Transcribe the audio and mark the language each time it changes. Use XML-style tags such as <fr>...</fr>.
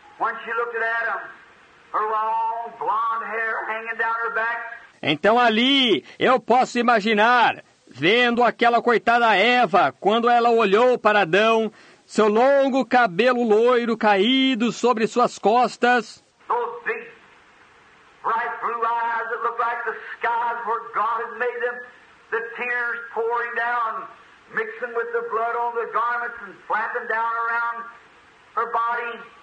<en>When she looked at Adam, her long blonde hair hanging down her back.</en> <pt>Então ali, eu posso imaginar, vendo aquela coitada Eva, quando ela olhou para Adão, seu longo cabelo loiro caído sobre suas costas.</pt> <en>Those big, bright blue eyes that look like the skies where God has made them, the tears pouring down, mixing with the blood on the garments and flapping down around her body.</en>